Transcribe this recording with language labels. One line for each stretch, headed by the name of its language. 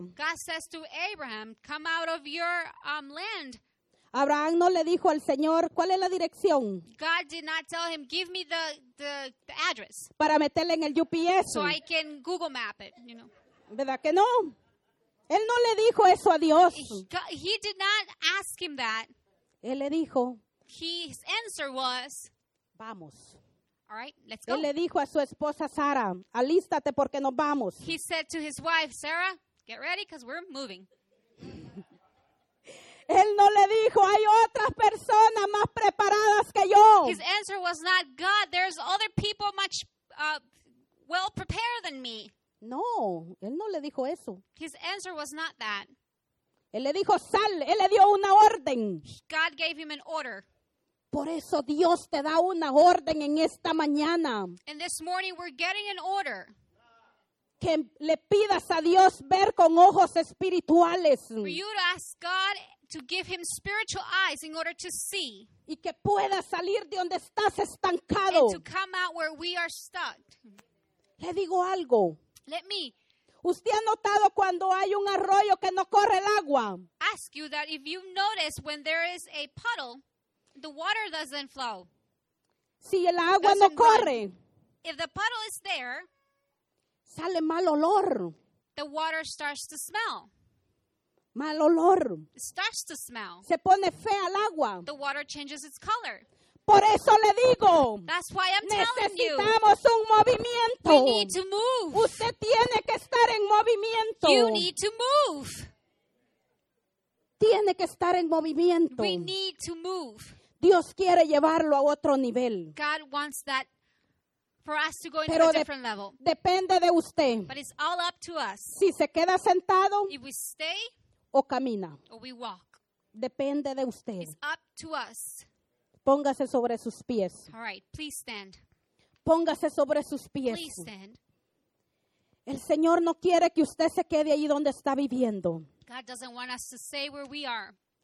English: God says to Abraham, come out of your land.
Spanish: Abraham no le dijo al Señor, ¿cuál es la dirección?
English: God did not tell him, give me the address.
Spanish: Para meterle en el UPS.
English: So I can Google map it, you know.
Spanish: ¿Verdad que no? Él no le dijo eso a Dios.
English: He did not ask him that.
Spanish: Él le dijo.
English: His answer was,
Spanish: vamos.
English: All right, let's go.
Spanish: Él le dijo a su esposa Sara, alístate porque nos vamos.
English: He said to his wife, Sarah, get ready because we're moving.
Spanish: Él no le dijo, hay otras personas más preparadas que yo.
English: His answer was not, God, there's other people much well prepared than me.
Spanish: No, él no le dijo eso.
English: His answer was not that.
Spanish: Él le dijo, sal, él le dio una orden.
English: God gave him an order.
Spanish: Por eso Dios te da una orden en esta mañana.
English: And this morning we're getting an order.
Spanish: Que le pidas a Dios ver con ojos espirituales.
English: For you to ask God to give him spiritual eyes in order to see.
Spanish: Y que pueda salir de donde estás estancado.
English: And to come out where we are stuck.
Spanish: Le digo algo.
English: Let me.
Spanish: ¿Usted ha notado cuando hay un arroyo que no corre el agua?
English: I ask you that if you notice when there is a puddle, the water doesn't flow.
Spanish: Si el agua no corre.
English: If the puddle is there,
Spanish: sale mal olor.
English: The water starts to smell.
Spanish: Mal olor.
English: It starts to smell.
Spanish: Se pone fea el agua.
English: The water changes its color.
Spanish: Por eso le digo.
English: That's why I'm telling you.
Spanish: Necesitamos un movimiento.
English: We need to move.
Spanish: Usted tiene que estar en movimiento.
English: You need to move.
Spanish: Tiene que estar en movimiento.
English: We need to move.
Spanish: Dios quiere llevarlo a otro nivel.
English: God wants that for us to go into
Spanish: Pero
English: a different level.
Spanish: Depende de usted.
English: But it's all up to us.
Spanish: Si se queda sentado,
English: if we stay,
Spanish: o camina,
English: or we walk.
Spanish: Depende de usted.
English: It's up to us.
Spanish: Póngase sobre sus pies.
English: All right, please stand.
Spanish: Póngase sobre sus pies.
English: Please stand.
Spanish: El Señor no quiere que usted se quede ahí donde está viviendo.
English: God doesn't want us to stay where we are.